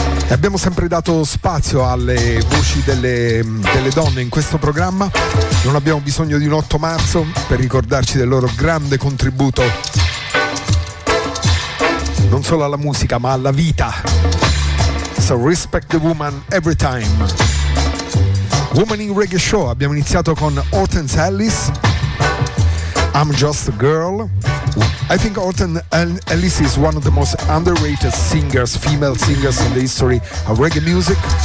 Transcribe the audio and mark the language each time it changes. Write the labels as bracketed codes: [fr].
[it] E abbiamo sempre dato spazio alle voci delle donne in questo programma. Non abbiamo bisogno di un 8 marzo per ricordarci del loro grande contributo, non solo alla musica ma alla vita. [en] So respect the woman every time. Woman in Reggae Show. [it] Abbiamo iniziato con Hortense Ellis, I'm Just a Girl. [en] I think Hortense Ellis is one of the most underrated singers, female singers in the history of reggae music.